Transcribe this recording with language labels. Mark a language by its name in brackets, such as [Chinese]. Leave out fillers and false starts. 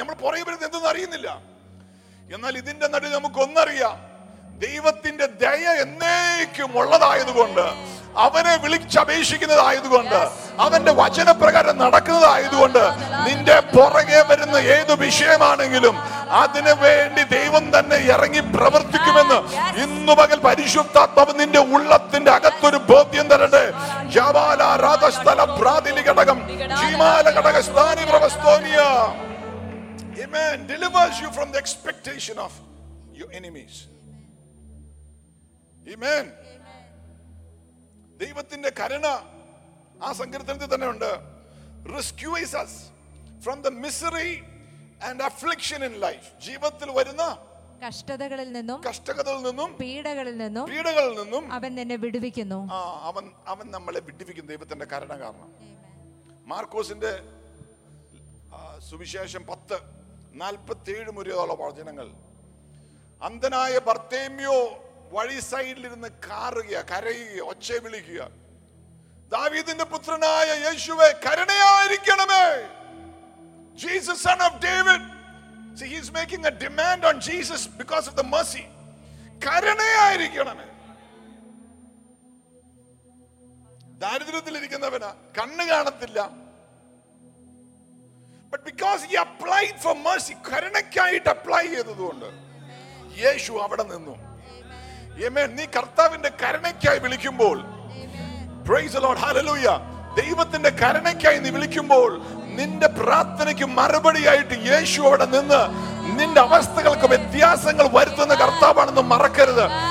[Malayalam] നമ്മൾ പുറകെ വരുന്നത് എന്തെന്ന് അറിയുന്നില്ല. എന്നാൽ ഇതിന്റെ നടുവിൽ നമുക്ക് ഒന്നറിയാം, ദൈവത്തിന്റെ ദയ എന്നേക്കും ഉള്ളതായതുകൊണ്ട്, അവനെ വിളിച്ചപേക്ഷിക്കുന്നതായതുകൊണ്ട്, അവന്റെ വചനപ്രകാരം നടക്കുന്നതായതുകൊണ്ട്, നിന്റെ പുറകെ വരുന്ന ഏത് വിഷയമാണെങ്കിലും അതിനു വേണ്ടി ദൈവം തന്നെ ഇറങ്ങി പ്രവർത്തിക്കുമെന്ന് ഇന്നു പകൽ പരിശുദ്ധാത്മാവ് നിന്റെ ഉള്ളത്തിന്റെ അകത്തൊരു ബോധ്യം തരട്ടെ. ജവാല രാധസ്ഥല പ്രാതിലി ഘടകം ജീമാല ഘടക സ്ഥാനി പ്രവസ്തോനിയ. [English] Amen. Delivers you from the expectation of your enemies. Amen. [Malayalam] ദൈവത്തിന്റെ കരുണ ആ സങ്കീർത്തനത്തിൽ തന്നെ ഉണ്ട്. [English] Rescues us from the misery and affliction in life. [Malayalam] ജീവിതത്തിൽ വരുന്ന കഷ്ടതകളിൽ നിന്നും പീഡകളിൽ നിന്നും അവൻ എന്നെ വിടുവിക്കുന്നു. അവൻ നമ്മളെ വിടുവിക്കുന്നു ദൈവത്തിന്റെ കരുണ കാരണം. മാർക്കോസിന്റെ സുവിശേഷം 10:47 മുറിയോളം വചനങ്ങൾ, അന്ധനായ ബർത്തേമ്യോ വഴി സൈഡിലിരുന്ന് കാറുക കരയുക ഒച്ച വിളിക്കുക, ദാവീദിന്റെ പുത്രനായ യേശുവേ കരുണയായിരിക്കണമേ. [English] Jesus son of David. See, he's making a demand on Jesus because of the mercy. [Malayalam] കരുണയായിരിക്കണമേ. ദാരിദ്ര്യത്തിൽ ഇരിക്കുന്നവന് കണ്ണു കാണത്തില്ല. [English] But because he applied for mercy, [Malayalam] karunakkayitt apply cheyathathukondu yeshu avade ninnu. [English] Amen. [Malayalam] Nee kartavinte karunakkayi vilikkumbol, [English] praise the lord, hallelujah, [Malayalam] devathinte karunakkayi nee vilikkumbol ninde prarthanaykku marubadi aayittu yeshu avade ninnu നിന്റെ അവസ്ഥകൾക്ക് വ്യത്യാസങ്ങൾ വരുത്തുന്ന കർത്താവാണെന്ന് മറക്കരുത്.